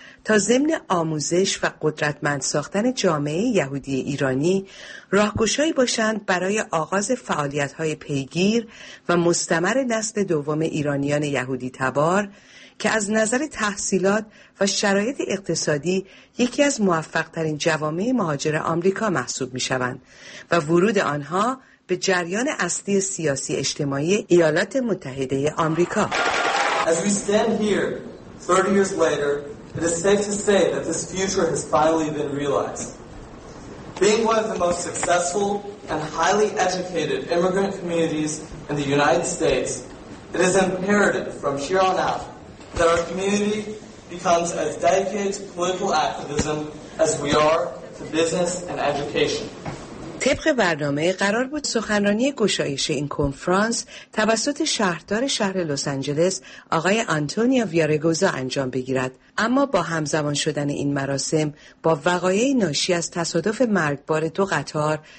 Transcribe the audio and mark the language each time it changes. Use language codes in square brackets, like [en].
[fa] تا ضمن آموزش و قدرتمند ساختن جامعه یهودی ایرانی راهگشایی باشند برای آغاز فعالیت‌های پیگیر و مستمر نسل دوم ایرانیان یهودی تبار که از نظر تحصیلات و شرایط اقتصادی یکی از موفق‌ترین جوامع مهاجر آمریکا محسوب می‌شوند و ورود آنها به جریان اصلی سیاسی اجتماعی ایالات متحده آمریکا. [en] As we stand here 30 years later, it is safe to say that this future has finally been realized. Being one of the most successful and highly educated immigrant communities in the United States, it is imperative from here on out that our community becomes as dedicated to political activism as we are to business and education. [fa] طبق برنامه قرار بود سخنرانی گشایش این کنفرانس توسط شهردار شهر لس آنجلس آقای آنتونیو ویارگوزا انجام بگیرد، اما با همزمان شدن این مراسم با وقایع ناشی از تصادف مرگبار 2 قطار